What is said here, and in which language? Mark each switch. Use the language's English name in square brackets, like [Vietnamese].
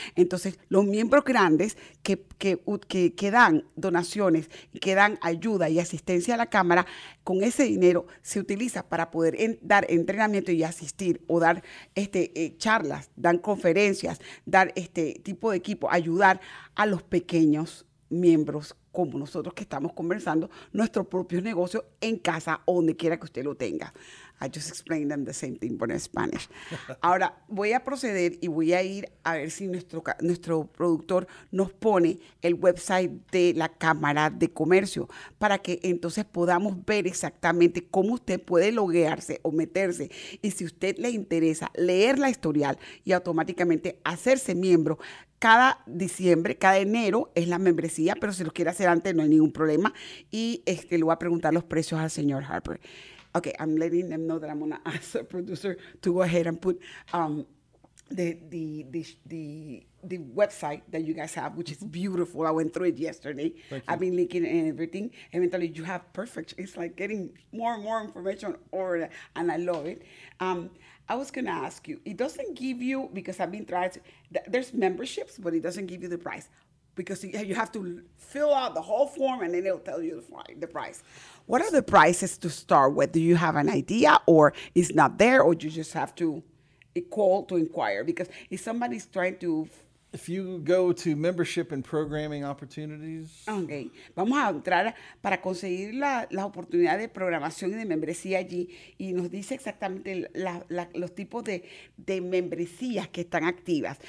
[Spanish] Entonces, los miembros grandes que dan donaciones, que dan ayuda y asistencia a la Cámara, con ese dinero se utiliza para poder dar entrenamiento y asistir o dar charlas, dar conferencias, dar este tipo de equipo, ayudar a los pequeños miembros como nosotros que estamos conversando, nuestro propio negocio en casa o donde quiera que usted lo tenga. [English] I just explained them the same thing but in Spanish. [Spanish] Ahora voy a proceder y voy a ir a ver si nuestro productor nos pone el website de la Cámara de Comercio para que entonces podamos ver exactamente cómo usted puede loguearse o meterse. Y si usted le interesa leer la historial y automáticamente hacerse miembro, cada diciembre, cada enero es la membresía, pero si lo quiere hacer antes no hay ningún problema. Y le voy a preguntar los precios al señor Harper. [English] Okay, I'm letting them know that I'm gonna ask the producer to go ahead and put the website that you guys have, which is beautiful. I went through it yesterday. I've been linking and everything. Eventually, you have perfect. It's like getting more and more information over, and I love it. I was gonna ask you. It doesn't give you because I've been trying to. There's memberships, but it doesn't give you the price. Because you have to fill out the whole form and then it'll tell you the price. What are the prices to start with? Do you have an idea or it's not there or you just have to call to inquire? Because if somebody's trying to... If you go to membership and programming opportunities... Okay. [Spanish] Vamos a entrar para conseguir la oportunidad de programación y de membresía allí y nos dice exactamente los tipos de membresías que están activas.